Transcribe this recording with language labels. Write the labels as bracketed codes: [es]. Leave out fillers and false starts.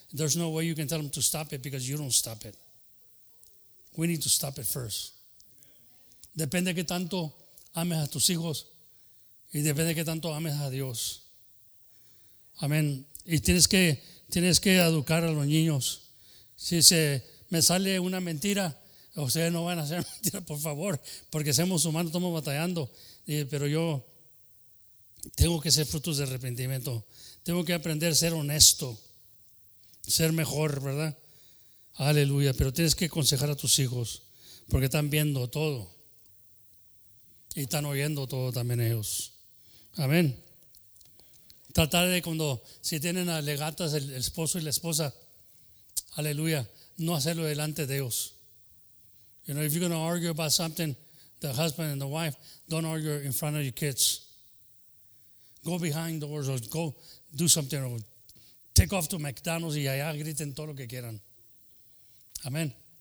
[en] There's no way you can tell them to stop it because you don't stop it. We need to stop it first. [es] Depende de qué tanto ames a tus hijos y depende de qué tanto ames a Dios. Amén. Y tienes que educar a los niños. Si se me sale una mentira, ustedes no van a hacer mentira, por favor, porque somos humanos, estamos batallando. Pero yo tengo que ser frutos de arrepentimiento. Tengo que aprender a ser honesto, ser mejor, ¿verdad? Aleluya. Pero tienes que aconsejar a tus hijos porque están viendo todo. Y están oyendo todo también ellos. Amén. Tratar de cuando, si tienen alegatas el esposo y la esposa, aleluya, no hacerlo delante de ellos. [en] You know, if you're going to argue about something, the husband and the wife, don't argue in front of your kids. Go behind the doors or go do something or take off to McDonald's [es] y allá griten todo lo que quieran. [en] Amén.